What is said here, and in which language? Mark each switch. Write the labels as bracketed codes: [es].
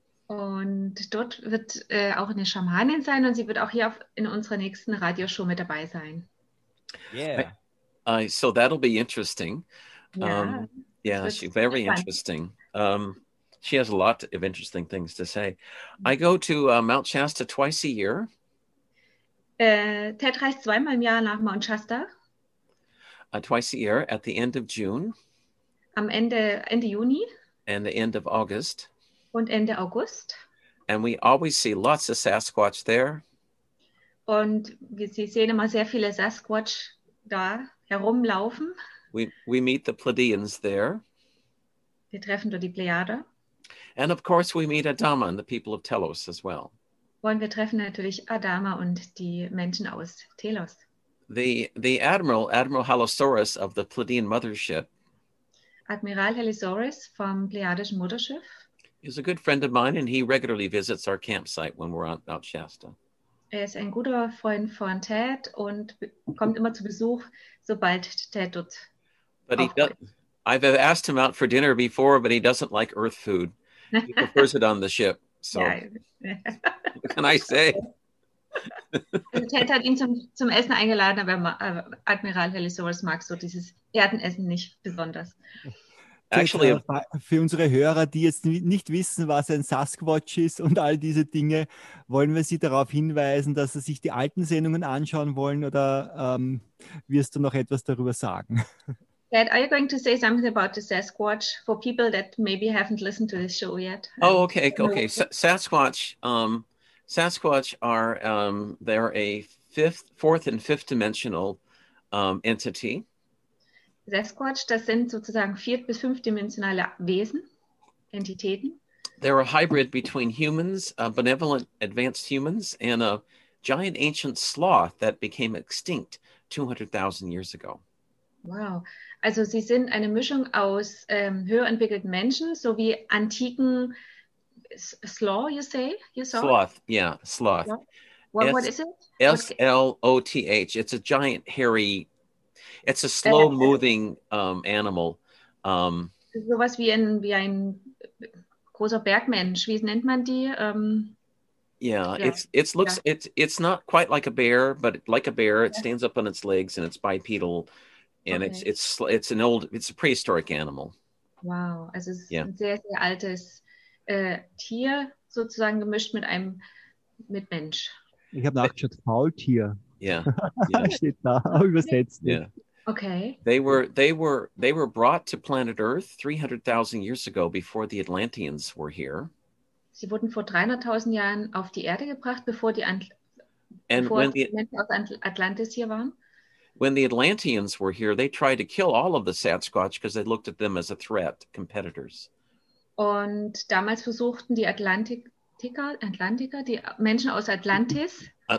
[de] Und dort wird auch eine Schamanin sein, und sie wird auch hier in unserer nächsten Radioshow mit dabei sein. [en] Yeah. So that'll be interesting. Yeah. Yeah, she's very interesting. She has a lot of interesting things to say. I go to Mount Shasta twice a year. [de] Ted reist zweimal im Jahr nach Mount Shasta. [en] Twice a year at the end of June. [de] Am Ende Juni. [en] And the end of August. [de] Und Ende August. [en] And we always see lots of Sasquatch there. [de] Und Sie sehen immer sehr viele Sasquatch da herumlaufen. [en] We meet the Pleiadians there. [de] Wir treffen dort die Plejader. [en] And of course we meet Adama and the people of Telos as well. [de] Und wir treffen natürlich Adama und die Menschen aus Telos. [en] The Admiral Halosaurus of the Pleiadian mothership. [de] Admiral Halosaurus vom Pleiadischen Mutterschiff. [en] Is a good friend of mine and he regularly visits our campsite when we're on Mount Shasta. [de] Er ist ein guter Freund von Ted und kommt immer zu Besuch, sobald Ted dort. [en] But I've asked him out for dinner before, but he doesn't like earth food. He prefers it on the ship. So yeah. What can I say? [de] Ted hat ihn zum Essen eingeladen, aber Admiral Halosaurus mag so dieses Erdenessen nicht besonders. Actually, für unsere Hörer, die jetzt nicht wissen, was ein Sasquatch ist und all diese Dinge, wollen wir sie darauf hinweisen, dass sie sich die alten Sendungen anschauen wollen oder wirst du noch etwas darüber sagen? [en] Dad, are you going to say something about the Sasquatch for people that maybe haven't listened to this show yet? Oh, okay. Sasquatch, Sasquatch are, they're a fourth and fifth dimensional entity. [de] Sasquatch, das sind sozusagen vier- bis fünfdimensionale Wesen, Entitäten. [en] They're a hybrid between humans, benevolent advanced humans, and a giant ancient sloth that became extinct 200,000 years ago. Wow. [de] Also sie sind eine Mischung aus höher entwickelten Menschen sowie antiken Sloth. [en] Sloth, yeah, sloth. Yeah. What is it? S-L-O-T-H. It's a giant hairy, it's a slow-moving animal. [de] Sowas wie ein großer Bergmensch. Wie nennt man die? [en] It's not quite like a bear, but like a bear, it stands up on its legs and it's bipedal. And okay. it's a prehistoric animal. [de] Wow, also es ist ein sehr, sehr altes Tier, sozusagen gemischt mit einem mit Mensch. Ich habe nachgeschaut, Faultier. Ja. Steht da, übersetzt. [en] Yeah. Okay. They were brought to planet Earth 300,000 years ago before the Atlanteans were here. [de] Sie wurden vor 300.000 Jahren auf die Erde gebracht, bevor die Menschen aus Atlantis hier waren. [en] When the Atlanteans were here, they tried to kill all of the Sasquatch because they looked at them as a threat, competitors. [de] Und damals versuchten die Atlantiker, die Menschen aus Atlantis,